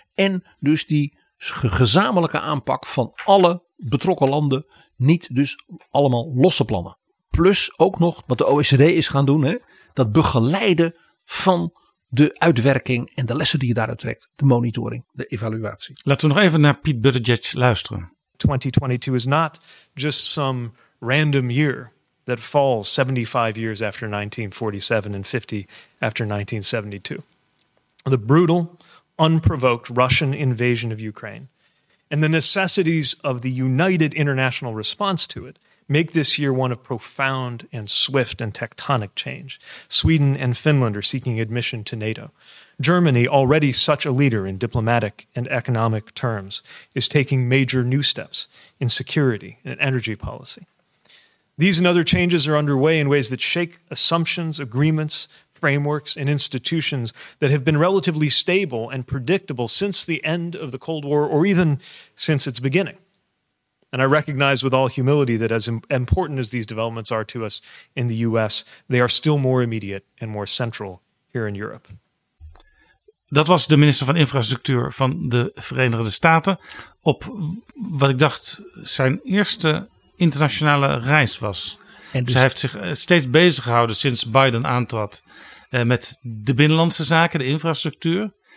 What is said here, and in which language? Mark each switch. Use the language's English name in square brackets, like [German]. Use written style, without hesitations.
[Dutch] En dus die gezamenlijke aanpak van alle betrokken landen. Niet dus allemaal losse plannen. Plus ook nog wat de OECD is gaan doen. Hè, dat begeleiden van de uitwerking en de lessen die je daaruit trekt. De monitoring, de evaluatie. Laten we nog even naar Pete Buttigieg luisteren. [English] 2022 is not just some random year that falls 75 years after 1947 and 50 after 1972. The brutal, unprovoked Russian invasion of Ukraine and the necessities of the united international response to it make this year one of profound and swift and tectonic change. Sweden and Finland are seeking admission to NATO. Germany, already such a leader in diplomatic and economic terms, is taking major new steps in security and energy policy. These and other changes are underway in ways that shake assumptions, agreements, frameworks, and institutions that have been relatively stable and predictable since the end of the Cold War or even since its beginning. And I recognize with all humility that as important as these developments are to us in the U.S., they are still more immediate and more central here in Europe. [Dutch] Dat was de minister van Infrastructuur van de Verenigde Staten op wat ik dacht zijn eerste internationale reis was. En dus, zij heeft zich steeds bezig gehouden sinds Biden aantrad met de binnenlandse zaken, de infrastructuur.